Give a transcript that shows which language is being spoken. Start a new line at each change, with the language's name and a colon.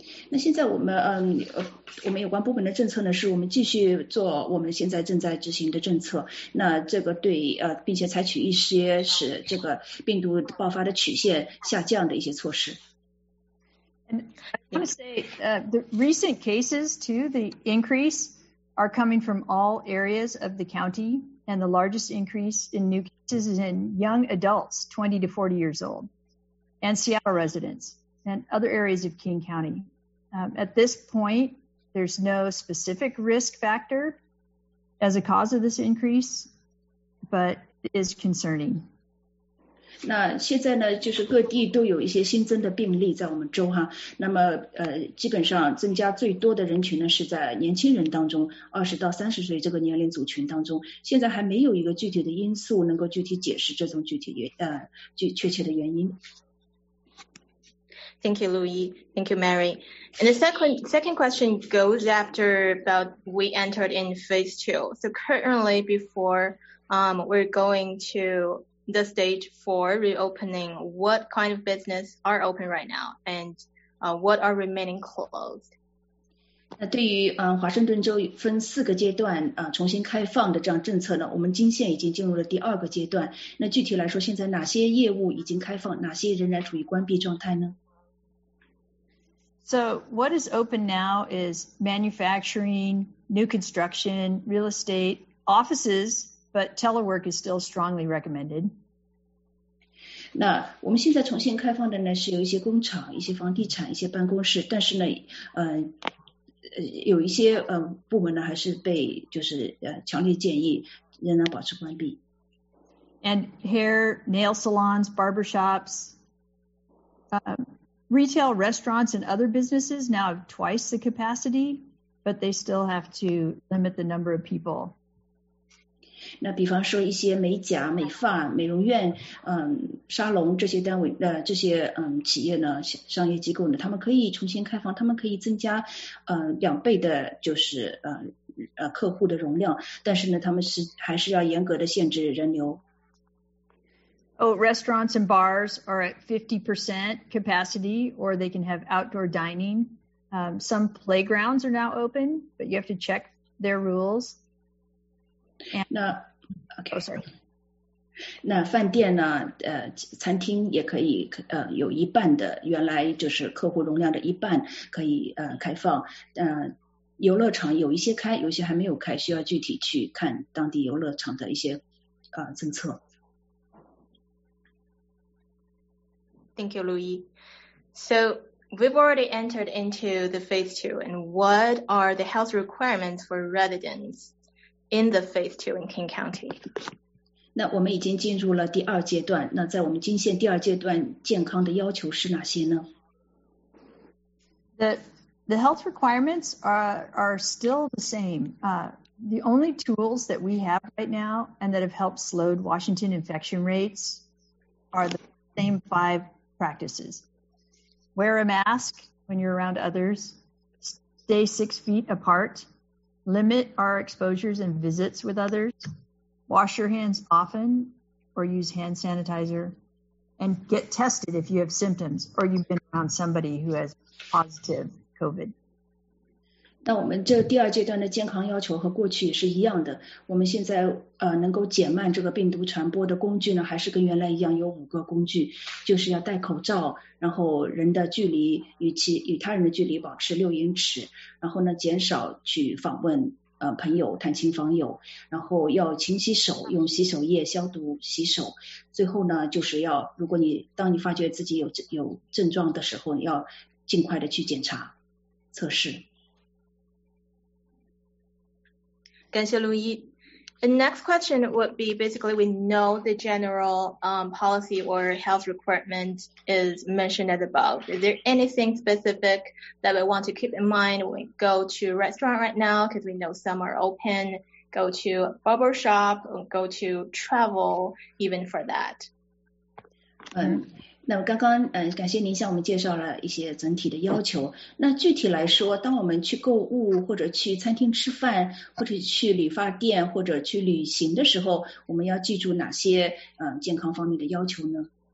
Chinese: 那现在我们有关部门的政策呢，是我们继续做我们现在正在执行的政策。那这个对并且采取一些使这个病毒爆发的曲线下降的一些措施。
English: And I want to say, the recent cases too, the increase are coming from all areas of the county, and the largest increase in new cases is in young adults, 20 to 40 years old, and Seattle residents. And other areas of King County. At this point, there's no specific risk factor as a cause of this increase, but it is concerning.
Chinese: 那现在呢，就是各地都有一些新增的病例在我们州哈。那么基本上增加最多的人群呢是在年轻人当中，20到30岁这个年龄组群当中。现在还没有一个具体的因素能够具体解释这种确切的原因。
English: Thank you, Louis. Thank you, Mary. And the second question goes after about we entered in phase 2. So currently before we're going to the stage 4 reopening, what kind of business are open right now and what are remaining closed?
Chinese: 那对于华盛顿州分四个阶段重新开放的这样政策呢，我们金县已经进入了第二个阶段。那具体来说，现在哪些业务已经开放，哪些仍然处于关闭状态呢？
English: So what is open now is manufacturing, new construction, real estate, offices, but telework is still strongly recommended.
Chinese: 那我们现在重新开放的呢，是有一些工厂、一些房地产、一些办公室，但是呢，有一些部门呢还是被就是强烈建议仍然保持关闭。
English: And hair, nail salons, barbershops, Retail restaurants and other businesses now have twice the capacity, but but they still have to limit the number of people.
Chinese: 那比方说一些美甲、美发、美容院、沙龙这些单位、这些企业呢，商业机构呢，他们可以重新开放，他们可以增加两倍的，就是客户的容量，但是呢，他们是还是要严格的限制人流。
English: Oh, restaurants and bars are at 50% capacity, or they can have outdoor dining. Some playgrounds are now open, but you have to check their rules.
Chinese: 那饭店呢？餐厅也可以有一半的原来就是客户容量的一半可以开放。游乐场有一些开，有些还没有开，需要具体去看当地游乐场的一些政策。
English: Thank you, Louis. So we've already entered into the phase two, and what are the health requirements for residents in the phase two in King County?
Chinese: 那我们已经进入了第二阶段，那在我们金县第二阶段健康的要求是哪些呢？
English: The health requirements are still the same. The only tools that we have right now and that have helped slowed Washington infection rates are the same five practices. Wear a mask when you're around others. Stay 6 feet apart. Limit our exposures and visits with others. Wash your hands often or use hand sanitizer. And get tested if you have symptoms or you've been around somebody who has positive COVID.
Chinese: 那我们这第二阶段的健康要求和过去是一样的。我们现在能够减慢这个病毒传播的工具呢，还是跟原来一样有五个工具，就是要戴口罩，然后人的距离与他人的距离保持6英尺，然后呢减少去访问朋友、探亲访友，然后要勤洗手，用洗手液消毒洗手。最后呢，就是要如果你当你发觉自己有症状的时候，要尽快的去检查测试。感谢陆一。
English: The next question would be, basically, we know the general policy or health requirement is mentioned as above. Is there anything specific that we want to keep in mind when we go to a restaurant right now, because we know some are open, go to a barber shop, or go to travel, even for that?
Chinese: 那刚刚感谢您向我们介绍了一些整体的要求。那具体来说，当我们去购物或者去餐厅吃饭，或者去理发店或者去旅行的时候，我们要记住哪些健康方面的要求呢？